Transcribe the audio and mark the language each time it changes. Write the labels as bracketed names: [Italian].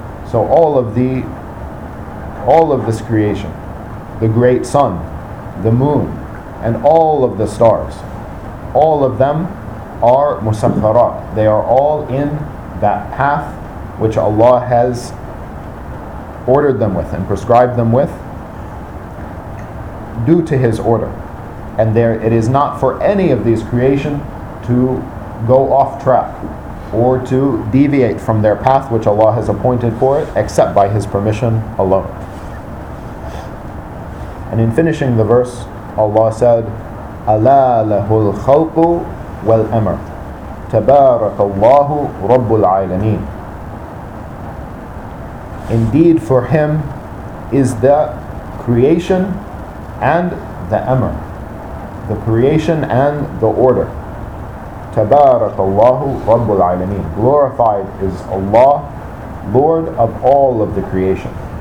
[English] So all of this creation, the great sun, the moon, and all of the stars, all of them are مُسَخَّرَات, they are all in that path which Allah has ordered them with and prescribed them with due to His order. And there, it is not for any of these creation to go off track or to deviate from their path which Allah has appointed for it, except by His permission alone. And in finishing the verse, Allah said, [Arabic] أَلَا لَهُ الْخَلْقُ وَالْأَمَرُ تَبَارَكَ اللَّهُ رَبُّ الْعَالَمِينَ. [English] Indeed, for Him is the creation and the amr, the creation and the order. [Arabic] Tabarakallahu Rabbul Alameen. [English] Glorified is Allah, Lord of all of the creation.